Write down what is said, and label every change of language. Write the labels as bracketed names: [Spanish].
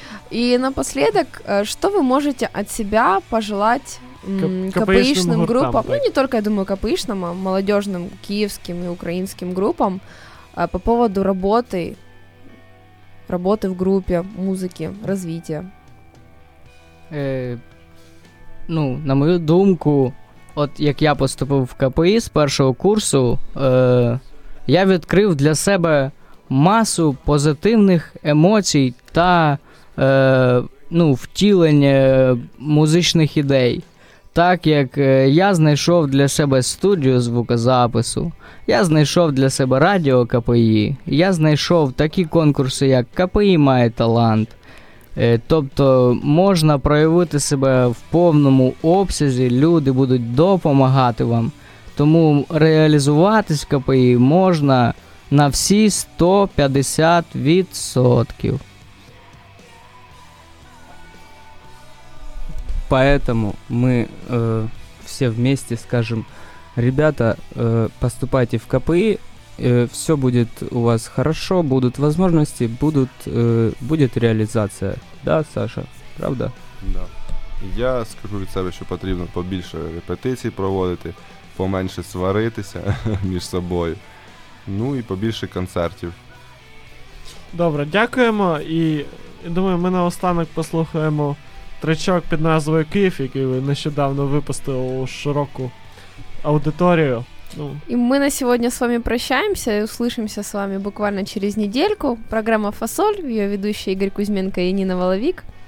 [Russian] И напоследок, что вы можете от себя пожелать КПИшным группам? Там, ну, не только, я думаю, КПИшным, а молодежным киевским и украинским группам по поводу работы в группе, музыки, развития. [Ukrainian] Ну, на мою думку... От як я поступив в КПІ з першого курсу, я відкрив для себе масу позитивних емоцій та втілення музичних ідей. Так як я знайшов для себе студію звукозапису, я знайшов для себе радіо КПІ, я знайшов такі конкурси, як «КПІ має талант». Тобто можна проявити себе в повному обсязі, люди будуть допомагати вам. Тому реалізуватись в КПІ можна на всі 150%. [Russian] Поэтому [Ukrainian] ми всі [Russian] вместе скажемо: ребята, поступайте в КПІ. Все будет у вас хорошо, будут возможности, будет реализация. Да, Саша? Правда? Да. [Ukrainian] Я скажу від себе, що потрібно побільше репетицій проводити, поменше сваритися між собою, ну і побільше концертів. Добре, дякуємо. І думаю, ми наостанок послухаємо тречок під назвою «Київ», який ви нещодавно випустили у широку аудиторію. [Russian] И мы на сегодня с вами прощаемся и услышимся с вами буквально через недельку. Программа «Фасоль», ее ведущие Игорь Кузьменко и Нина Воловик.